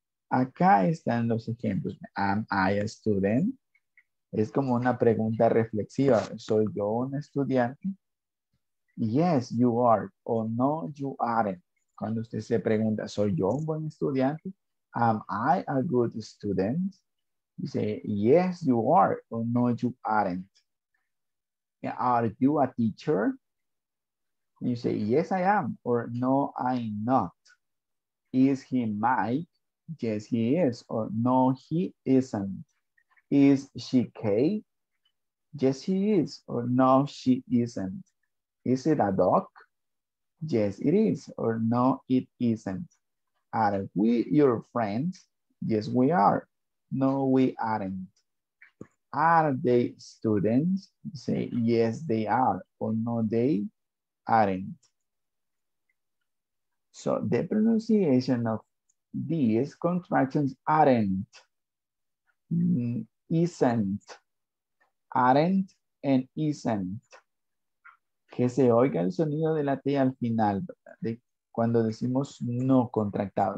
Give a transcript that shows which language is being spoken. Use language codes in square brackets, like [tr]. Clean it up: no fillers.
[es] Acá están los ejemplos. [en] Am I a student? [es] Es como una pregunta reflexiva. ¿Soy yo un estudiante? [en] Yes, you are. O no, you aren't. [es] Cuando usted se pregunta, ¿soy yo un buen estudiante? [en] Am I a good student? Dice, yes, you are, or no, you aren't. Are you a teacher? You say, yes, I am, or no, I'm not. Is he Mike? Yes, he is, or no, he isn't. Is she Kay? Yes, he is, or no, she isn't. Is it a dog? Yes, it is, or no, it isn't. Are we your friends? Yes, we are. No, we aren't. Are they students? Say, yes, they are. Or no, they aren't. So the pronunciation of these contractions aren't, isn't, aren't, and isn't. [es] Que se oiga el sonido de la T al final, de cuando decimos no contractado.